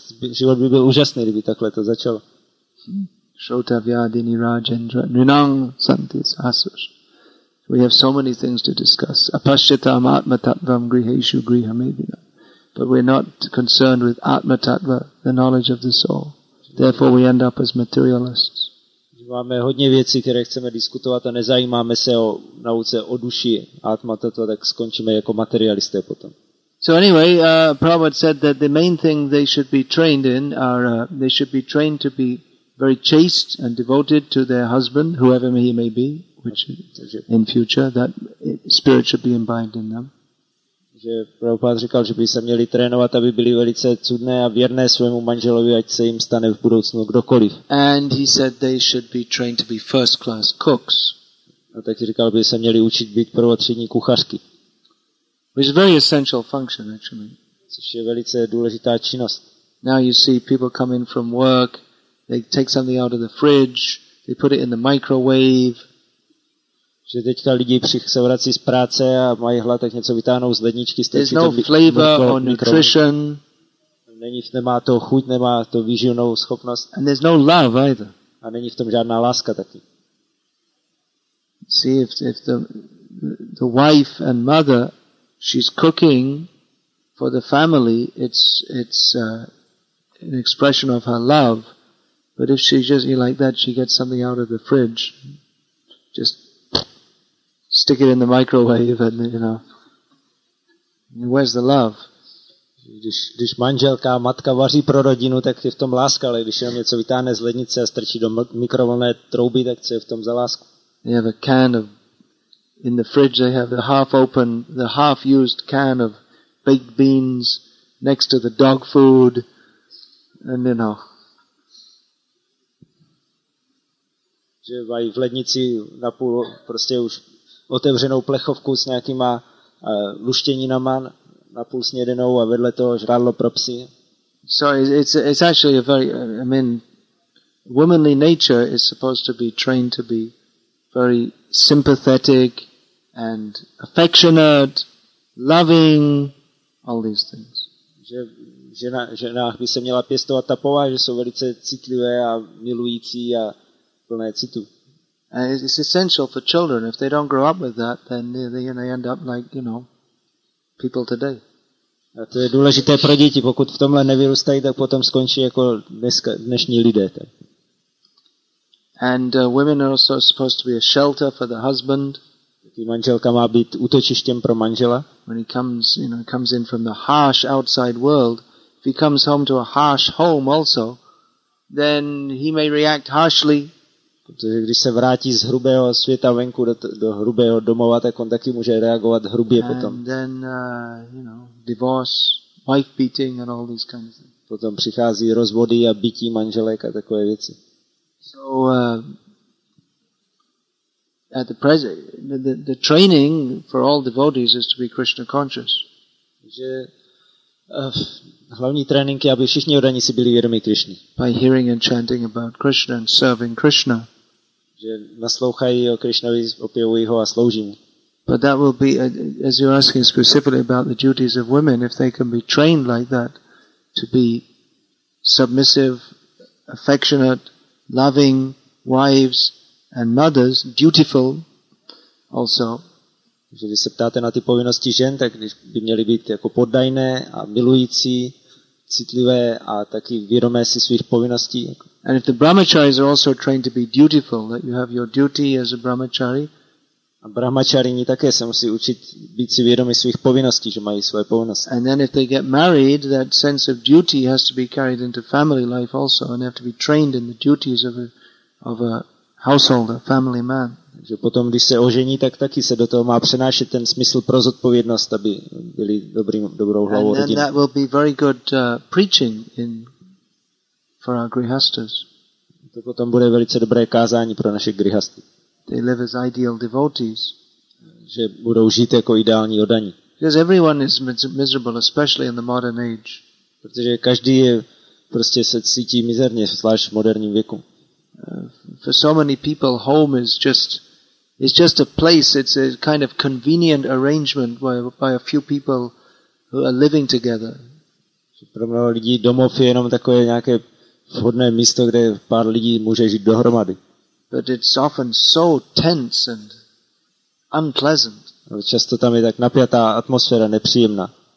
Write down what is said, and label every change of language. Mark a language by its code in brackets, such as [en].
[cs] Život by byl úžasný, kdyby takhle to začalo. [sa] Shrota Vyadini Rajendra Nunang Santis Asus. [en] We have so many things to discuss. [sa] Apashyatam Atma Tattvam Griheshu Grihamedina. [en] But we're not concerned with Atma Tattva, the knowledge of the soul. Therefore we end up as materialists. [cs] Máme hodně věcí, které chceme diskutovat a nezajímáme se o nauce o duši Atma Tattva, tak skončíme jako materialisté potom. [en] So anyway, Prabhupada said that the main thing they should be trained in are they should be trained to be very chaste and devoted to their husband, whoever he may be, which in future that spirit should be imbibed in them. [cs] Že Prabhupada říkal, že by se měli trénovat, aby byli velice cudné a věrné svému manželovi, ať se jim stane v budoucnu kdokoliv. [en] And he said they should be trained to be first class cooks. [cs] A taky říkal, by se měli učit být prvotřídní kuchařky. [en] Which is a very essential function, actually. [cs] Což je velice důležitá činnost. [en] Now you see people come in from work. They take something out of the fridge, they put it in the microwave. [cs] Že teďka lidi se vrací z práce a mají hlad, tak něco vytáhnou z ledničky. [en] There's no flavor or nutrition. [cs] Není, nemá to chuť, nemá to výživnou schopnost. [en] And there's no love either. [cs] A není v tom žádná láska taky. [en] See, if the wife and mother, she's cooking for the family, it's an expression of her love. But if she just like that, she gets something out of the fridge, just stick it in the microwave, and where's the love? [cs] Když manželka, matka vaří pro rodinu, tak je v tom láska, ale když jenom něco vytáhne z lednice a strčí do mikrovlnné trouby, tak co je v tom za lásku? [en] They have a can of, in the fridge they have the half open, the half used can of baked beans next to the dog food, and [cs] že mají v lednici napůl prostě už otevřenou plechovku s nějakýma luštěninama napůl snědenou a vedle toho žrádlo pro psy. [en] So it's actually a very, I mean, womanly nature is supposed to be trained to be very sympathetic and affectionate, loving, all these things. [cs] Že ženách by se měla pěstovat ta povaha, že jsou velice citlivé a milující a plné citu. [en] And it's essential for children. If they don't grow up with that, then they end up like, people today. [cs] A to je důležité pro děti. Pokud v tomhle nevyrůstají, tak potom skončí jako dnešní lidé. [en] And women are also supposed to be a shelter for the husband. [cs] Taky manželka má být útočištěm pro manžela. [en] When he comes, comes in from the harsh outside world, if he comes home to a harsh home also, then he may react harshly. [cs] Protože když se vrátí z hrubého světa venku do hrubého domova, tak on taky může reagovat hrubě potom. [en] And then, divorce, wife beating and all these kinds of things. [cs] Potom přichází rozvody a bití manželek a takové věci. [en] So at the present, the training for all devotees is to be Krishna conscious. [cs] Že hlavní trénink je, aby všichni oddaní si byli vědomi Krišny. [en] By hearing and chanting about Krishna and serving Krishna. [cs] Že naslouchají o Krišnovi, opěvují ho a slouží mu. [en] But that will be, as you're asking specifically about the duties of women, if they can be trained like that, to be submissive, affectionate, loving wives and mothers, dutiful also. [cs] Že když se ptáte na ty povinnosti žen, tak by měly být jako poddajné a milující, citlivé a taky vědomé si svých povinností. [en] And if the brahmacharis are also trained to be dutiful, that you have your duty as a brahmachari. [cs] A brahmacharini také se musí učit být si vědomi svých povinností, že mají svoje povinnosti. [en] And then if they get married, that sense of duty has to be carried into family life also, and they have to be trained in the duties of a of a household, a family man. [cs] Že potom, když se ožení, tak taky se do toho má přenášet ten smysl pro zodpovědnost, aby byli dobrou hlavou rodiny. [en] And that will be very good preaching in for our grihasthas. [cs] To potom bude velice dobré kázání pro naše grihasty. [en] They live as ideal devotees. [cs] Že budou žít jako ideální oddaní. [en] Because everyone is miserable, especially in the modern age. [cs] Protože každý je prostě se cítí mizerně, zvlášť v moderním věku. [en] For so many people, home is just a place. It's a kind of convenient arrangement by a few people who are living together. [cs] Pro mnoho lidí domov je jenom takové nějaké vhodné místo, kde pár lidí může žít dohromady. [en] But it's often so tense and unpleasant. [cs] Ale často tam je tak napjatá atmosféra, nepříjemná.